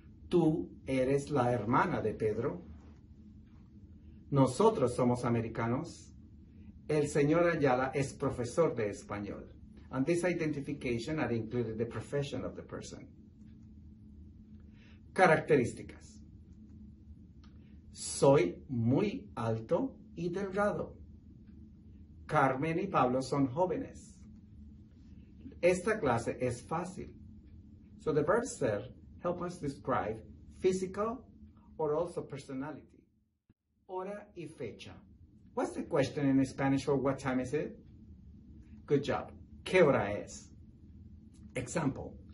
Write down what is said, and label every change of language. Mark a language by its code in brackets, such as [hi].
[es] Tú eres la hermana de Pedro. Nosotros somos americanos. El señor Ayala es profesor de español. [en] And this identification had included the profession of the person. [es] Características. Soy muy alto y delgado. Carmen y Pablo son jóvenes. Esta clase es fácil. [en] So the verb ser help us describe physical or also personality. [es] Hora y fecha. [en] What's the question in Spanish for what time is it? Good job. [es] ¿Qué hora es? [en] Example.